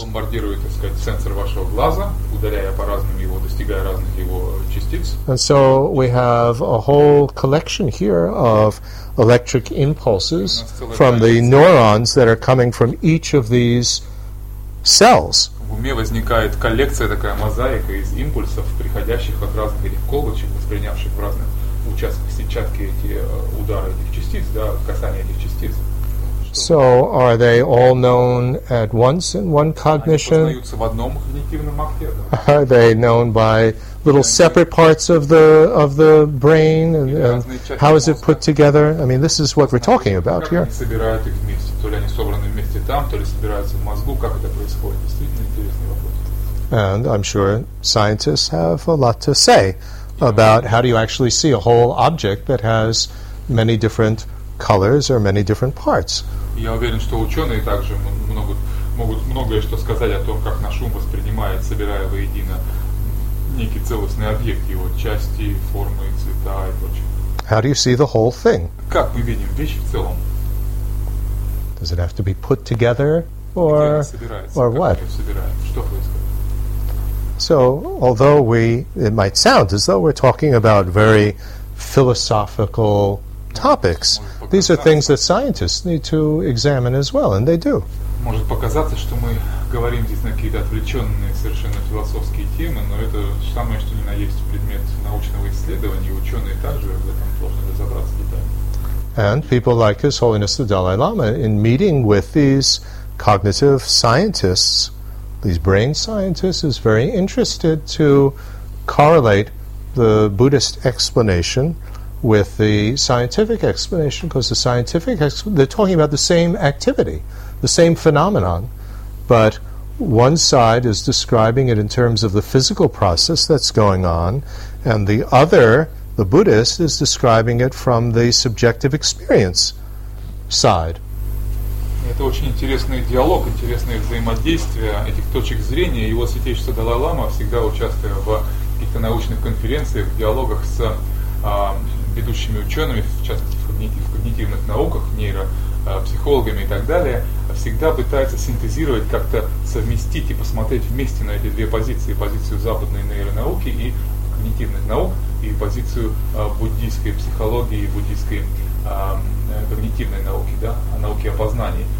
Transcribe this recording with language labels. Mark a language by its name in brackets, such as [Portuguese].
[Russian] Бомбардирует, так сказать, сенсор вашего глаза, ударяя по разным его, достигая разных его частиц. [English] And so we have a whole collection here of electric impulses from the neurons that are coming from each of these cells. [Russian] В уме возникает коллекция, такая мозаика из импульсов, приходящих от разных этих колбочек, воспринявших в разных сетчатки эти удары этих частиц, да, касание этих частиц. [English] So are they all known at once in one cognition? [Russian] Они познаются в одном когнитивном акте. [English] Are they known by little separate parts of the brain? And how is it put together? I mean, this is what we're talking about here. [Russian] Как они собирают их вместе? То ли они собраны вместе там, то ли собираются в мозгу? Как это происходит? Действительно интересный вопрос. [English] And I'm sure scientists have a lot to say about how do you actually see a whole object that has many different colors or many different parts. [Russian] Я уверен, что ученые также могут многое что сказать о том, как наш ум воспринимает, собирая воедино некий целостный объект, его части, формы, цвета и прочее. [English] How do you see the whole thing? [Russian] Как мы видим вещь в целом? [English] Does it have to be put together or what? [Russian] Что происходит? [English] So, although it might sound as though we're talking about very philosophical topics, these are things that scientists need to examine as well, and they do. [Russian] Может показаться, что мы говорим здесь на какие-то отвлеченные совершенно философские темы, но это самое, что ни на есть предмет научного исследования, и ученые также в этом должны разобраться детально. [English] And people like His Holiness the Dalai Lama, in meeting with these cognitive scientists, these brain scientists is very interested to correlate the Buddhist explanation with the scientific explanation, because the scientific they're talking about the same activity, the same phenomenon, but one side is describing it in terms of the physical process that's going on, and the other, the Buddhist, is describing it from the subjective experience side. [Russian] Это очень интересный диалог, интересное взаимодействие этих точек зрения. Его святейшество Далай-лама всегда участвует в каких-то научных конференциях, в диалогах с ведущими учеными, в частности, в когнитивных науках, нейропсихологами и так далее, всегда пытается синтезировать, как-то совместить и посмотреть вместе на эти две позиции, позицию западной нейронауки и когнитивных наук, и позицию буддийской психологии и буддийской когнитивной науки, да, о науке о познании.